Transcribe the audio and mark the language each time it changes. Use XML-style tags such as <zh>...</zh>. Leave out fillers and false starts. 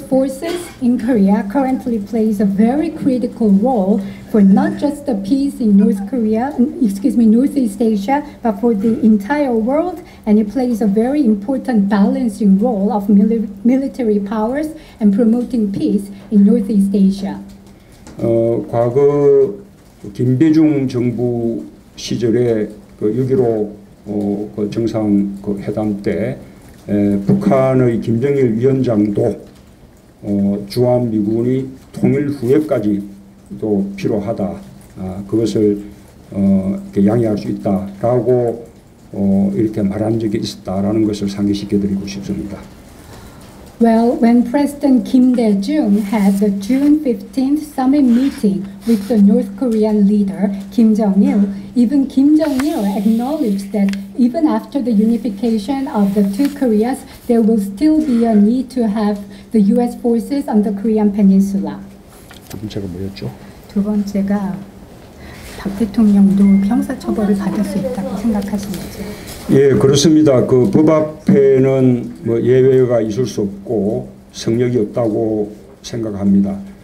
<en>forces in Korea currently plays a very critical role for not just the peace in North Korea, excuse me, Northeast Asia, but for the entire world, and it plays a very important balancing role of military powers and promoting peace in Northeast Asia.</en> <ko>과거 김대중 정부 시절에 6.15 정상 회담 때 북한의 김정일 위원장도 주한미군이 통일 후에까지도 필요하다. 그것을 이렇게 양해할 수 있다라고 이렇게 말한 적이 있었다라는 것을 상기시켜 드리고 싶습니다.</ko> <en>Well, when President Kim Dae-jung had the June 15th summit meeting with the North Korean leader Kim Jong-il, even Kim Jong-il acknowledged that even after the unification of the two Koreas, there will still be a need to have the U.S. forces on the Korean Peninsula.</en> <ko>두 번째가 뭐였죠? 두 번째가 박 대통령도 형사 처벌을 받을 수 있다고 생각하시는지요? 예, 그렇습니다. 그 법 앞에는 뭐 예외가 있을 수 없고 성역이 없다고 생각합니다.</ko>